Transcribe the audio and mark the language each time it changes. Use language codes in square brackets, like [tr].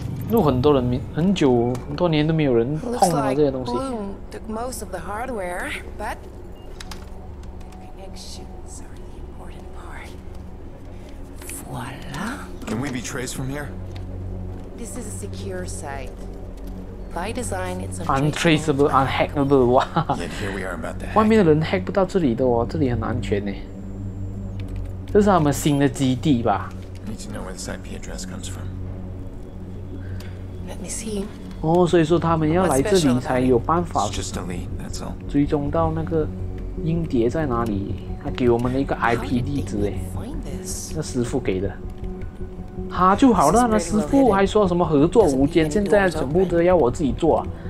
[zh] 路很多人，很久很多年都没有人碰了这些东西。 [en] Bloom took most of the hardware, but connections are the important part. Voila. Can we be traced from here? This is a secure site. By design, it's untraceable, unhackable. 哇！ Yet here we are about to hack. [zh] 外面的人 hack 不到这里的哦，这里很安全呢。这是他们新的基地吧 [en] ？I need to know where this IP address comes from. Let me see. [zh] 哦，所以说他们要来这里才有办法追踪到那个音碟在哪里。他给我们的一个 IP 地址，哎，那师傅给的。他就好了，那师傅还说什么合作无间，现在全部都要我自己做。